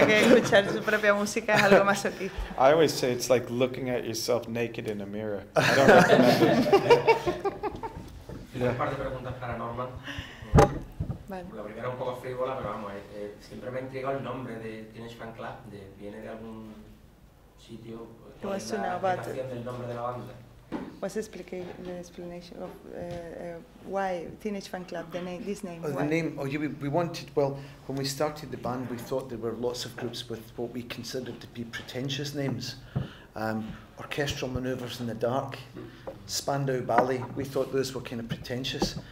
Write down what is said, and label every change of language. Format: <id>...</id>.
<en>I always say it's like looking at yourself naked in a mirror. I don't recommend it.</en> <es>Tengo un par de preguntas para Norman. Vale. La primera un poco frívola, pero vamos, siempre me ha intrigado el nombre de Teenage Fan Club, ¿viene de algún sitio? ¿Qué es la explicación del nombre de la banda?</es> <en>What's the explanation of why Teenage Fan Club, this name? Oh, the name, oh, we wanted, well, when we started the band, we thought there were lots of groups with what we considered to be pretentious names. Orchestral Maneuvers in the Dark, Spandau Ballet, we thought those were kind of pretentious.</en>